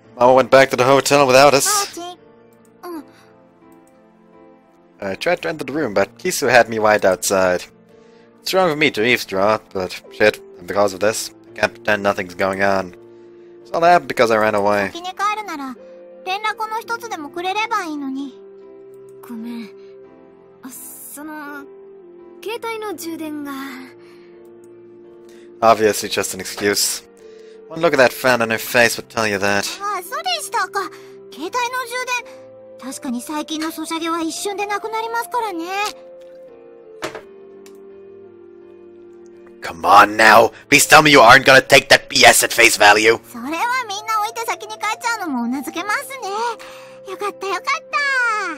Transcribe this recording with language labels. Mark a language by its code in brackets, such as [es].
[en] Mao went back to the hotel without us. I tried to enter the room, but Kisa had me wide outside. It's wrong of me to eavesdrop, but shit, and because of this, I can't pretend nothing's going on. It's all happened because I ran away. [ja] 先に帰るなら連絡の一つでもくれればいいのに。ごめん。その、携帯の充電が。 [en] Obviously just an excuse. One look at that fan on her face would tell you that. [ja] あ、そうでしたか。携帯の充電。確かに最近のソシャゲは一瞬でなくなりますからね。 [en] Come on now! Please tell me you aren't gonna take that BS at face value! [ja] それはみんな置いて先に帰っちゃうのもうなずけますね。よかったよかった。はい。